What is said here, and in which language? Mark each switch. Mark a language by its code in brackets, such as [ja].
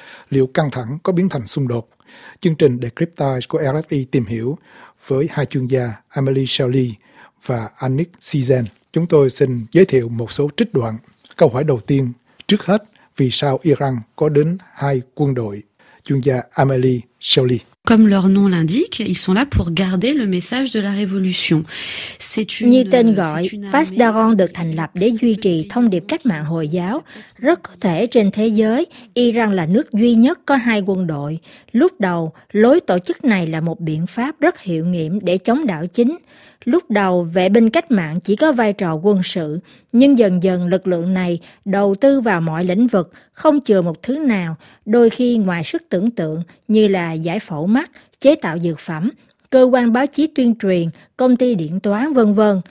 [vi] Liệu căng thẳng có biến thành xung đột? Chương trình Decryptage của RFI tìm hiểu với hai chuyên gia Amelie Shelley và Annick Sizen. Chúng tôi xin giới thiệu một số trích đoạn. Câu hỏi đầu tiên, trước hết, vì sao Iran có đến hai quân đội? Chuyên gia Amelie Shelley. [fr] Comme leur nom l'indique, ils sont là pour garder le message de la révolution. [vi] Như tên gọi, Pasdaran được thành lập để duy trì thông điệp cách mạng Hồi giáo. Rất có thể trên thế giới, Iran là nước duy nhất có hai quân đội. Lúc đầu, lối tổ chức này là một biện pháp rất hiệu nghiệm để chống đảo chính. Lúc đầu, vệ binh cách mạng chỉ có vai trò quân sự, nhưng dần dần lực lượng này đầu tư vào mọi lĩnh vực, không chừa một thứ nào, đôi khi ngoài sức tưởng tượng như là giải phẫu mắt, chế tạo dược phẩm, cơ quan báo chí tuyên truyền, công ty điện toán, v.v.